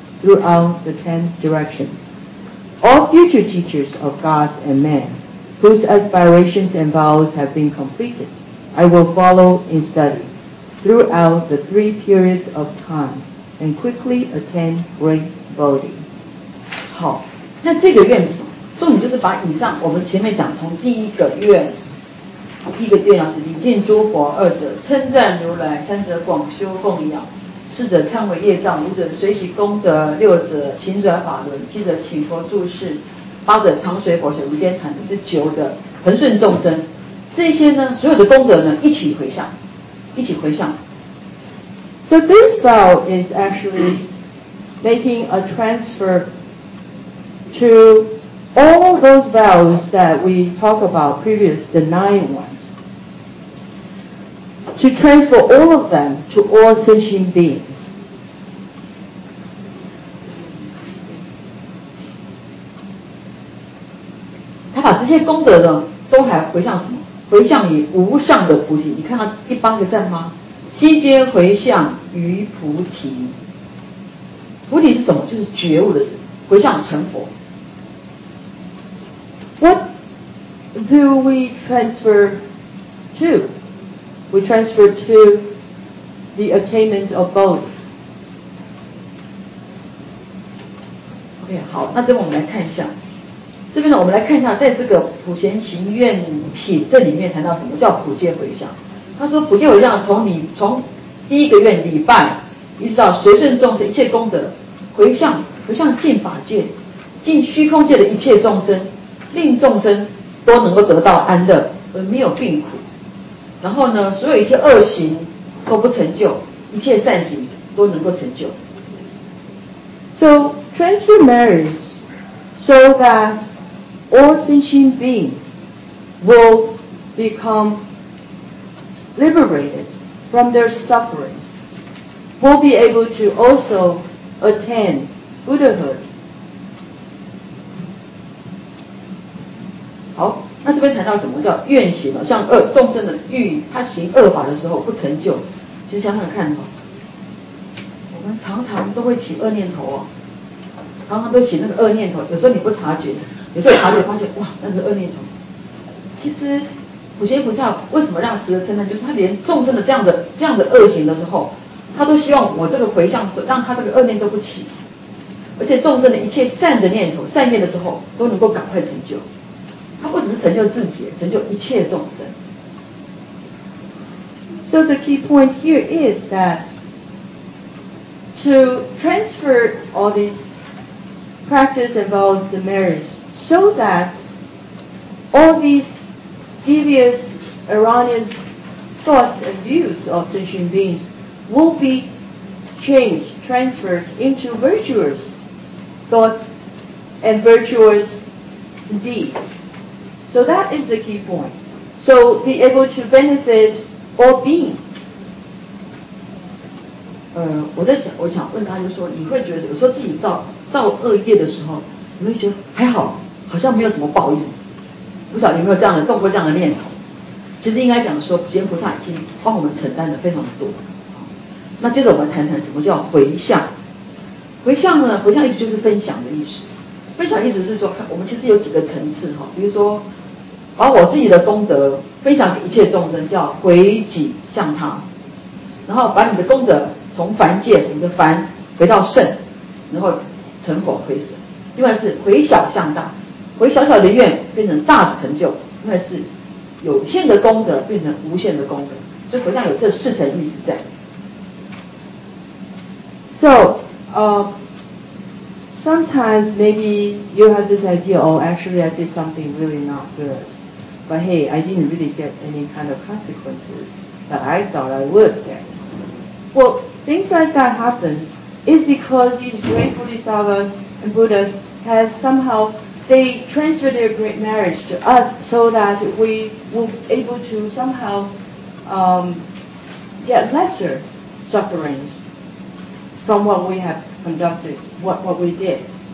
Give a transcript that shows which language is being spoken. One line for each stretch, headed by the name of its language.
English: Throughout the 10 directions. All future teachers of God and man, whose aspirations and vows have been completed, I will follow in study throughout the 3 periods of time and quickly attain great Bodhi.
Chinese: 好，那这个愿是什么？重点就是把以上我们前面讲从第一个愿，第一个愿要是礼敬诸佛，二者称赞如来，三者广修供养。四者忏悔业障，五者随喜功德，六者勤转法轮，七者请佛住世，八者常随佛学无间谈，这九的恒顺众生，这些呢，所有的功德呢，一起回向，一起回向。
English: So this vow is actually making a transfer to all those vows that we talk about previous, the 9 ones. To transfer all of them to all sentient beings.
Chinese: He 把这些功德呢，都还回向什么？回向于无上的菩提。你看到第八个赞吗？悉皆回向于菩提。菩提是什么？就是觉悟的事，回向成佛。
English: What do we transfer to? We transfer to the attainment of both.
Chinese: OK, 好，那这边我们来看一下。这边呢，我们来看一下，在这个普贤行愿品这里面谈到什么叫普皆回向。他说，普皆回向从第一个愿礼拜，一直到随顺众生一切功德，回向进法界，进虚空界的一切众生，令众生都能够得到安乐，而没有病苦。然后呢，所有一切恶行都不成就，一切善行都能够成就。
English: So transfer merits so that all sentient beings will become liberated from their sufferings will be able to also attain Buddhahood.
Chinese: 好，那这边谈到什么叫愿行呢？像恶众生的欲，他行恶法的时候不成就，其实想想看哦，我们常常都会起恶念头哦，常常都起那个恶念头，有时候你不察觉，有时候察觉发现哇，那是恶念头。其实普贤菩萨为什么让值得称赞？就是他连众生的这样的恶行的时候，他都希望我这个回向，让他这个恶念都不起，而且众生的一切善的念头、善念的时候，都能够赶快成就。他不只是成就自己，成就一切众生。
English: So the key point here is that to transfer all this practice involves the merit, so that all these devious, erroneous thoughts and views of sentient beings will be changed, transferred into virtuous thoughts and virtuous deeds. So that is the key point. So be able to benefit all beings.
Chinese: 我想问他，就说你会觉得有时候自己造恶业的时候，你会觉得还好，好像没有什么报应。不晓得有没有这样的动过这样的念头？其实应该讲说，普贤菩萨已经帮我们承担的非常的多。那接着我们谈谈什么叫回向。回向呢？回向意思就是分享的意思。分享意思是说，我们其实有几个层次哈，比如说，把我自己的功德分享给一切众生，叫回己向他；然后把你的功德从凡界，你的凡回到圣，然后成佛回神；另外是回小向大，回小小的愿变成大的成就；另外是有限的功德变成无限的功德。所以回向有这四层意思在。
English: So, sometimes maybe you have this idea, oh, actually I did something really not good. But hey, I didn't really get any kind of consequences that I thought I would get. Well, things like that happen is because these great Bodhisattvas and Buddhas have somehow, they transfer their great merits to us so that we will be able to somehow get lesser sufferings from what we have conducted, what we did.